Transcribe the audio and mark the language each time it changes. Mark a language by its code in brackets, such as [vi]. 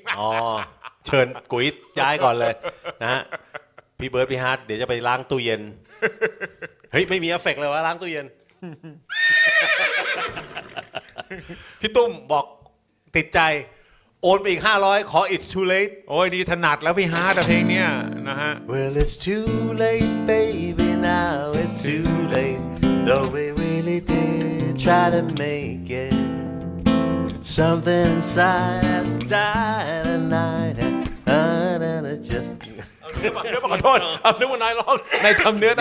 [th] อ๋อเชิญกุ๊ยย้ายก่อนเลยนะฮะพี่เบิร์ดพี่ฮาร์ทเดี๋ยวจะไปล้างตู้เย็นเฮ้ยไม่มีเอฟเฟคเลยว่าล้างตู้เย็นพี่ตุ้มบอกติดใจโอนไปอีก500ขอ [en] It's too late [th] โอ้ยนี่ถนัดแล้วพี่ฮาร์ทเพลงเนี้ยนะฮะ [en] Well it's too late baby now it's too late though we really did try to make it something inside has died and I had and it just [th] เดี๋ยวขอโทษนึกว่านายร้องนายทำเนื้อได